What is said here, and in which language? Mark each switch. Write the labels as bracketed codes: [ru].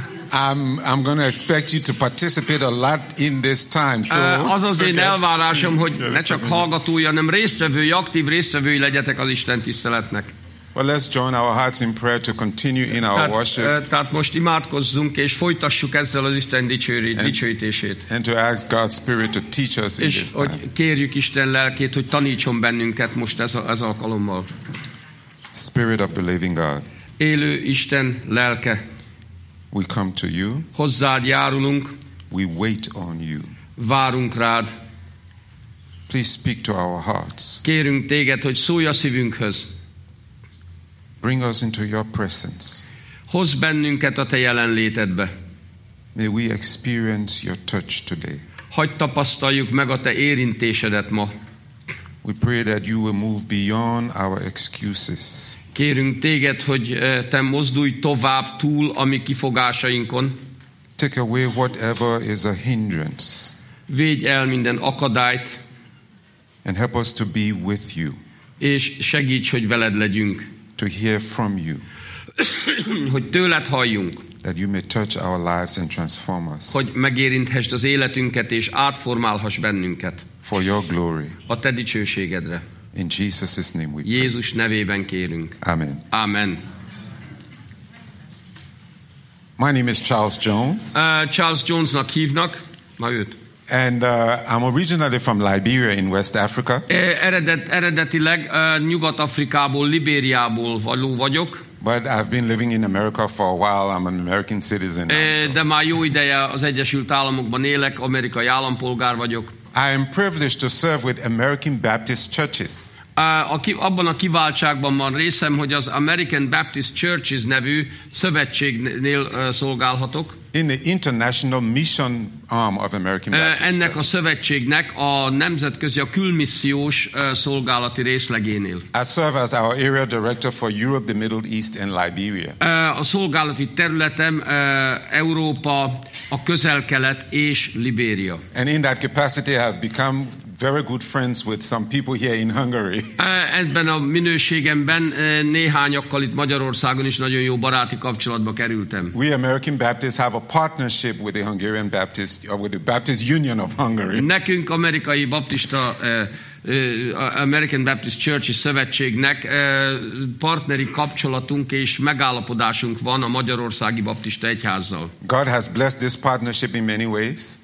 [en] I'm going to expect you to participate a lot in this time. So [hu] azaz én elvárásom, hogy ne csak hallgatói, hanem résztvevői, aktív résztvevői legyetek az Isten tiszteletnek. [en] Well, let's join our hearts in prayer to continue in our worship. [hu] Tehát most imádkozzunk és folytassuk ezzel az Isten dicsőítését. [en] And to ask God's Spirit to teach us in this time. [hu] És hogy kérjük Isten lelkét, hogy tanítson bennünket most ez alkalommal. [en] Spirit of the Living God. [hu] Élő Isten lelke. [en] We come to you. [hu] Hozzád járulunk. [en] We wait on you. [hu] Várunk rád. [en] Please speak to our hearts. [hu] Kérünk téged, hogy szólj a szívünkhöz. [en] Bring us into your presence. [hu] Hozz bennünket a te jelenlétedbe. [en] May we experience your touch today. [hu] Hogy tapasztaljuk meg a te érintésedet ma. [en] We pray that you will move beyond our excuses. [hu] Kérünk téged, hogy te mozdulj tovább túl a mi kifogásainkon. [en] Take away whatever is a hindrance. [hu] Védj el minden akadályt. [en] And help us to be with you. [hu] És segíts, hogy veled legyünk. [en] To hear from you. [hu] Hogy tőled halljunk. [en] That you may touch our lives and transform us. [hu] Hogy megérinthesd az életünket és átformálhass bennünket. [en] For your glory. [hu] A te dicsőségedre. [en] In Jesus' name we pray. [hu] Jézus nevében kérünk. [en] Amen. [hu] Amen. [en] My name is Charles Jones. [hu] Charles Jonesnak hívnak. Ma őt. [en] And I'm originally from Liberia in West Africa. [hu] Eredetileg Nyugat-Afrikából, Libériából való vagyok. [en] But I've been living in America for a while. I'm an American citizen. [hu] De már jó ideje az Egyesült Államokban élek, amerikai állampolgár vagyok. [en] I am privileged to serve with American Baptist churches. [hu] Abban a kiváltságban van részem, hogy az American Baptist Churches nevű szövetségnél szolgálhatok. [en] In the international mission arm of American Baptist Churches. [hu] Ennek a szövetségnek a nemzetközi, a külmissziós szolgálati részlegénél. [en] I serve as our area director for Europe, the Middle East and Liberia. [hu] A szolgálati területem Európa, a Közel-Kelet és Libéria. [en] And in that capacity I have become very good friends with some people here in Hungary. [hu] Ebben a minőségemben néhányakkal itt Magyarországon is nagyon jó baráti kapcsolatba kerültem. [en] We American Baptists have a partnership with the Hungarian Baptist, or with the Baptist Union of Hungary. [hu] Nekünk amerikai baptista American Baptist Church szövetségnek partneri kapcsolatunk és megállapodásunk van a magyarországi baptista egyházzal. [en] God has blessed this partnership in many ways.